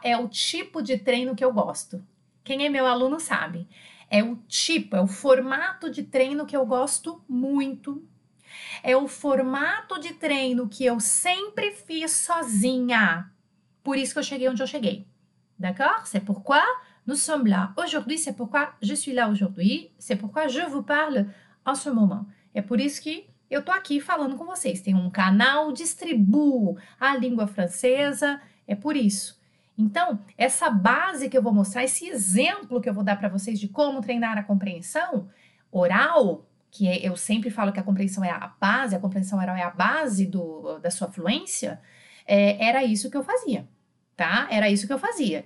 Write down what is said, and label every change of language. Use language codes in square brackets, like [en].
[pt] É o tipo de treino que eu gosto. Quem é meu aluno sabe. É o formato de treino que eu gosto muito. É o formato de treino que eu sempre fiz sozinha. Por isso que eu cheguei onde eu cheguei. [fr] D'accord? C'est pourquoi nous sommes là aujourd'hui. C'est pourquoi je suis là aujourd'hui. C'est pourquoi je vous parle en ce moment. [pt] É por isso que eu tô aqui falando com vocês. Tem um canal, distribuo a língua francesa. É por isso. Então, essa base que eu vou mostrar, esse exemplo que eu vou dar para vocês de como treinar a compreensão oral, que eu sempre falo que a compreensão é a base, a compreensão oral é a base da sua fluência, era isso que eu fazia. Tá? Era isso que eu fazia.